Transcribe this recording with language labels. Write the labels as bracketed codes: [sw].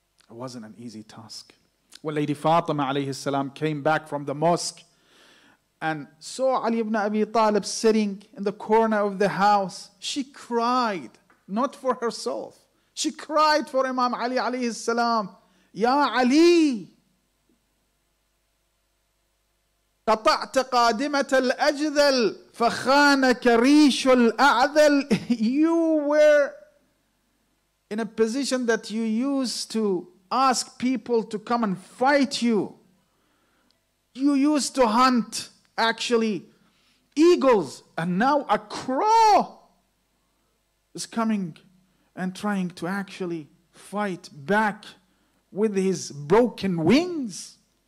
[en] It wasn't an easy task. When Lady Fatima alayhi salam came back from the mosque and saw Ali ibn Abi Talib sitting in the corner of the house, she cried, not for herself. She cried for Imam Ali alayhi salam. Ya Ali! [ar] قطعت قادمة الأجذل فخانك ريش الأعذل. [en] You were in a position that you used to ask people to come and fight you. You used to hunt, actually, eagles. And now a crow is coming and trying to actually fight back with his broken wings.